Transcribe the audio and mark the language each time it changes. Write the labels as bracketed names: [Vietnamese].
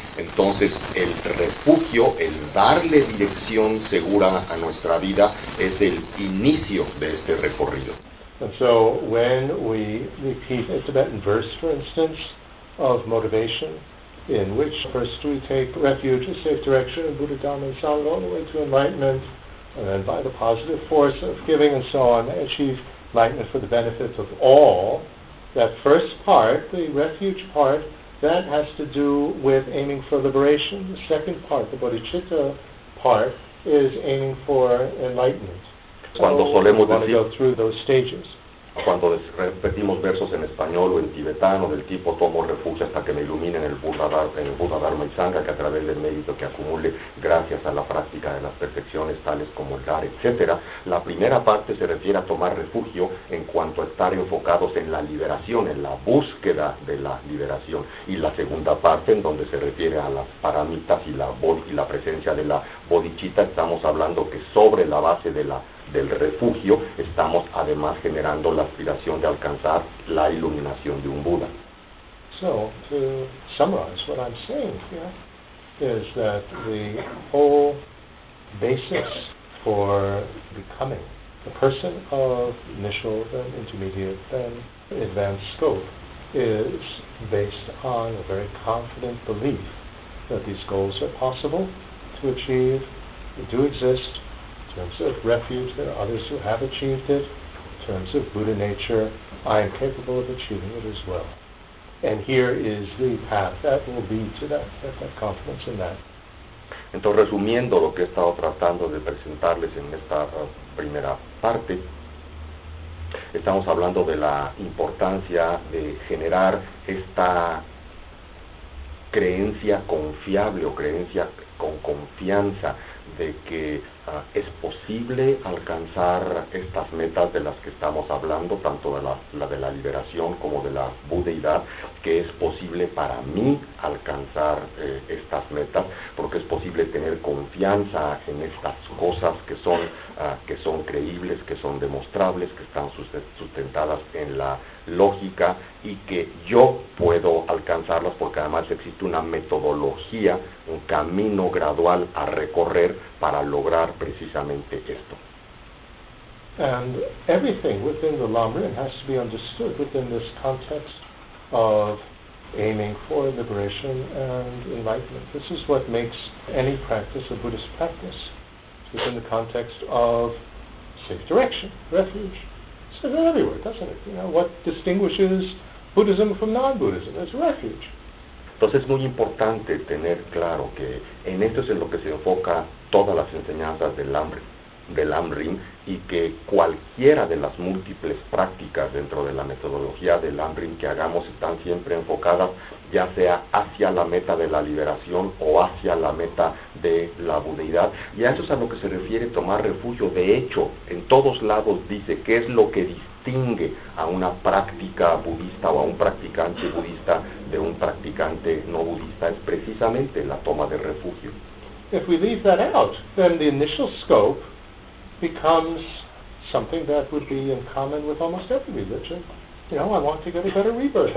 [Spanish] Entonces, el refugio, el darle dirección segura a nuestra vida, es el inicio de este recorrido. [English] And so, when we repeat a Tibetan verse, for instance, of motivation, in which first we take refuge, a safe direction, in Buddha, Dhamma, and Sangha, all the way to enlightenment, and then by the positive force of giving and so on, achieve enlightenment for the benefit of all, that first part, the refuge part, that has to do with aiming for liberation. The second part, the bodhicitta part, is aiming for enlightenment. [Spanish] Cuando [English] so, we want to go through those stages. [Spanish] cuando repetimos versos en español o en tibetano del tipo tomo refugio hasta que me ilumine en el Buda Dharma y Sangha, que a través del mérito que acumule gracias a la práctica de las perfecciones tales como el dar, etcétera, la primera parte se refiere a tomar refugio en cuanto a estar enfocados en la liberación, en la búsqueda de la liberación, y la segunda parte, en donde se refiere a las paramitas y la presencia de la bodhicitta, estamos hablando que sobre la base de la del refugio, estamos además generando la aspiración de alcanzar la iluminación de un Buda. [English] So, to summarize what I'm saying here, is that the whole basis for becoming a person of initial, then intermediate, then advanced scope is based on a very confident belief that these goals are possible to achieve, they do exist. In terms of refuge, there are others who have achieved it. In terms of Buddha nature, I am capable of achieving it as well. And here is the path that will lead to that confidence in that. [Spanish] Entonces, resumiendo lo que he estado tratando de presentarles en esta primera parte, estamos hablando de la importancia de generar esta creencia confiable o creencia con confianza de que es posible alcanzar estas metas de las que estamos hablando, tanto de la de la liberación como de la budeidad, que es posible para mí alcanzar estas metas, porque es posible tener confianza en estas cosas que son creíbles, que son demostrables, que están sustentadas en la lógica, y que yo puedo alcanzarlas, porque además existe una metodología, un camino gradual a recorrer para lograr precisamente esto. [English] And everything within the lam-rim has to be understood within this context of aiming for liberation and enlightenment. This is what makes any practice a Buddhist practice. It's within the context of safe direction, refuge. It's everywhere, doesn't it? You know, what distinguishes Buddhism from non-Buddhism is refuge. [Spanish] Entonces es muy importante tener claro que en esto es en lo que se enfoca todas las enseñanzas del lam-rim, y que cualquiera de las múltiples prácticas dentro de la metodología del lam-rim que hagamos están siempre enfocadas ya sea hacia la meta de la liberación o hacia la meta de la budeidad. Y a eso es a lo que se refiere tomar refugio. De hecho, en todos lados dice qué es lo que distingue a una práctica budista o a un practicante budista de un practicante no budista, es precisamente la toma de refugio. [English] If we leave that out, then the initial scope becomes something that would be in common with almost every religion. You know, I want to get a better rebirth.